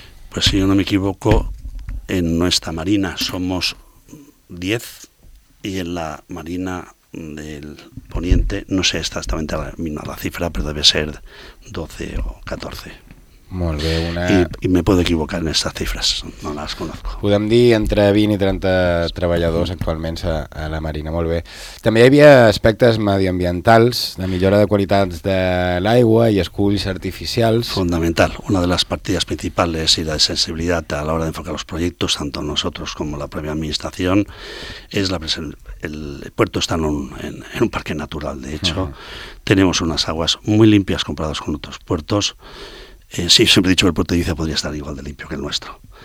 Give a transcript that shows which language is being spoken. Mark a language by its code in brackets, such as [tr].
[es] Pues si yo no me equivoco, en nuestra marina somos 10 y en la marina del Poniente, no sé exactamente la cifra, pero debe ser 12 o 14. [ca] Molt bé, [es] y me puedo equivocar en estas cifras, no las conozco. [ca] Podem dir entre 20 i 30 treballadors actualment a la marina, molt bé. També hi havia aspectes mediambientals, de millora de qualitats de l'aigua i esculls artificials. Fundamental. [es] Una de las partidas principales y la de sensibilidad a la hora de enfocar los proyectos, tanto nosotros como la propia administración, es la presencia. El puerto está en un parque natural, de hecho. Tenemos unas aguas muy limpias comparadas con otros puertos. Sí, siempre he dicho que el puerto de Ibiza podría estar igual de limpio que el nuestro.